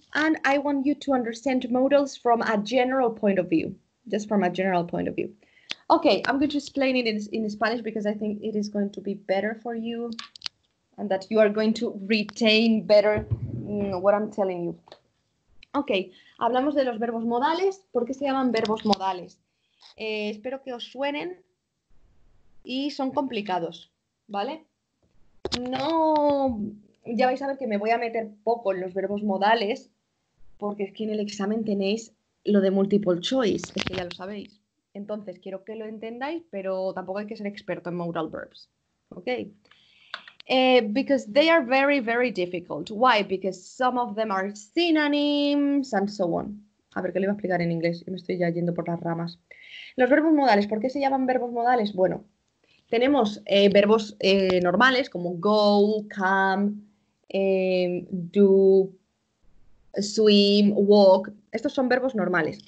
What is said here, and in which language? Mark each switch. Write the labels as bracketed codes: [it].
[en] And I want you to understand modals from a general point of view, just from a general point of view. Okay, I'm going to explain it in Spanish because I think it is going to be better for you and that you are going to retain better what I'm telling you. [es] Okay, hablamos de los verbos modales. ¿Por qué se llaman verbos modales? Espero que os suenen y son complicados, ¿vale? No, ya vais a ver que me voy a meter poco en los verbos modales, porque es que en el examen tenéis lo de multiple choice, es que ya lo sabéis. Entonces, quiero que lo entendáis, pero tampoco hay que ser experto en modal verbs, ¿ok? [en] Because they are very, very difficult. Why? Because some of them are synonyms and so on. [es] A ver, ¿qué le iba a explicar en inglés? Me estoy ya yendo por las ramas. Los verbos modales, ¿por qué se llaman verbos modales? Bueno, tenemos verbos normales como go, come, do, swim, walk. Estos son verbos normales.